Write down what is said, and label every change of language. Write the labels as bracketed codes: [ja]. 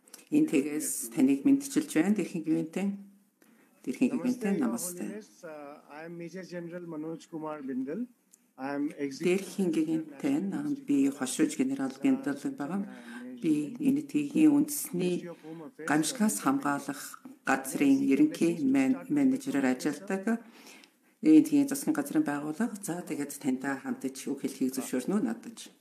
[mn] Энэ тэгээс таныг мэдчилж байна. Дээрхийн гэгээнтэн. Namaste. [en] I'm Major General Manoj Kumar Bindal. I'm executive. [mn] Дээрхийн гэгээнтэн. Би хошууч генерал Бindal байна. Би Энэтхэгийн үндэсний Гамшгаас хамгаалах газрын ерөнхий менежерээр ажилладаг. Энэтхэгийн засгийн газрын байгууллага. За тэгээд тантай хамтаж үг хэлхийг зөвшөөрнө үү надаж.